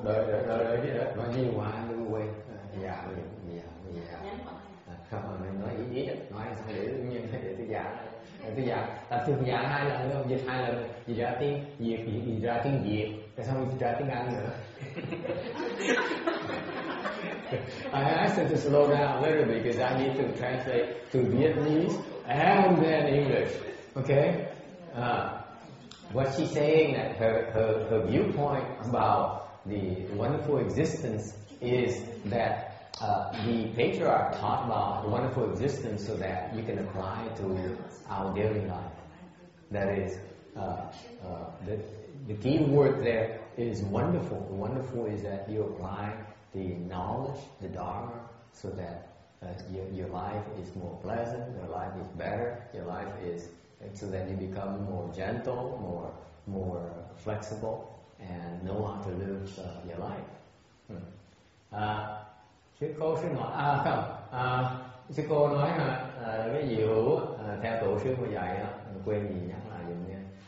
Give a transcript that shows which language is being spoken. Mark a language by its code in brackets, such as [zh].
[vi] Đợi đợi đợi đợi đi đó. Nói nhiều quá luôn quên. Dạ liền, dạ dạ. Không, mình nói ý nghĩa, nói sao để đương nhiên để tôi giả. Tôi giả, ta thường giả hai lần nữa, dịch hai lần, dịch ra tiếng Việt, dịch ra tiếng Việt, rồi xong dịch ra tiếng Anh nữa. [en] I asked him to slow down a little bit because I need to translate to Vietnamese and then English. Okay? What she's saying that her viewpoint about the wonderful existence is that the patriarch taught about the wonderful existence so that you can apply it to our daily life. That is the key word there is wonderful. Wonderful is that you apply the knowledge, the Dharma, so that your life is more pleasant, your life is better, your life is, so that you become more gentle, more flexible, and know how to live your life. [vi] Sư cô sẽ nói, à không, à, sư cô nói là cái gì hữu theo tổ sư của dạy đó, quên gì nhắc lại dùm nha.